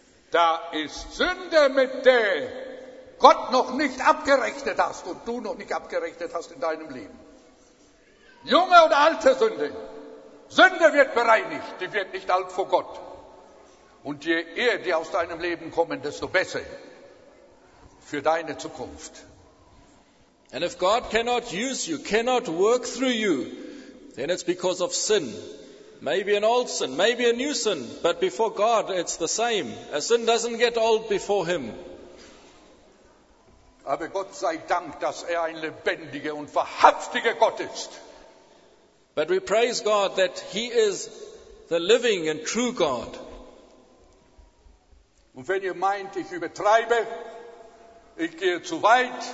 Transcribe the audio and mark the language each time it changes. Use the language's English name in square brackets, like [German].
[German] Da ist Sünde, mit der Gott noch nicht abgerechnet hast und du noch nicht abgerechnet hast in deinem Leben. Junge oder alte Sünde. Sünde wird bereinigt, die wird nicht alt vor Gott. Und je eher die aus deinem Leben kommen, desto besser für deine Zukunft. [English] And if God cannot use you, cannot work through you, then it's because of sin. Maybe an old sin, maybe a new sin, but before God it's the same. A sin doesn't get old before him. [German] Aber Gott sei Dank, dass er ein lebendiger und wahrhaftiger Gott ist. [English] But we praise God that he is the living and true God. [German] Und wenn ihr meint, ich übertreibe, ich gehe zu weit.